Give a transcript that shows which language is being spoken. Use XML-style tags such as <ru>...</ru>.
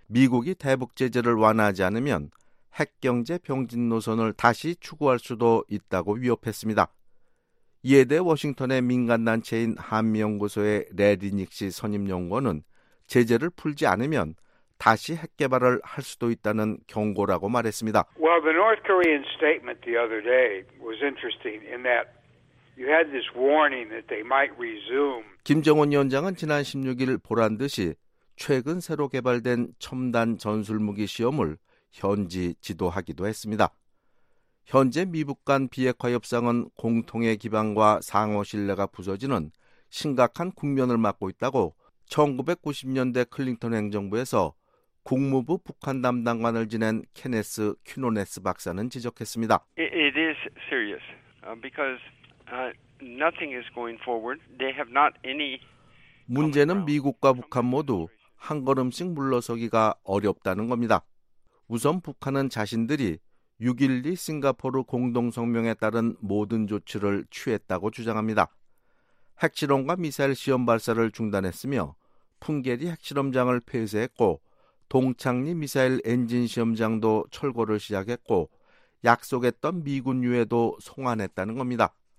<ko>미국이 대북 제재를 완화하지 않으면 핵경제 병진 노선을 다시 추구할 수도 있다고 위협했습니다. 이에 대해 워싱턴의 민간단체인 한미연구소의 레디 닉시 선임연구원은 제재를 풀지 않으면 다시 핵개발을 할 수도 있다는 경고라고 말했습니다.</ko> <en>Well, the North Korean statement the other day was interesting in that you had this warning that they might resume.</en> <ko>김정은 위원장은 지난 16일 보란 듯이 최근 새로 개발된 첨단 전술무기 시험을 현지 지도하기도 했습니다. 현재 미북 간 비핵화 협상은 공통의 기반과 상호 신뢰가 부서지는 심각한 국면을 맞고 있다고 1990년대 클린턴 행정부에서 국무부 북한 담당관을 지낸 케네스 퀴노네스 박사는 지적했습니다.</ko> <en>It is serious because nothing is going forward. They have not any.</en> <ko>문제는 미국과 북한 모두 한 걸음씩 물러서기가 어렵다는 겁니다. 우선 북한은 자신들이 6.12 싱가포르 공동성명에 따른 모든 조치를 취했다고 주장합니다. 핵실험과 미사일 시험 발사를 중단했으며 풍계리 핵실험장을 폐쇄했고 동창리 미사일 엔진 시험장도 철거를 시작했고 약속했던 미군 유해도 송환했다는 겁니다.</ko>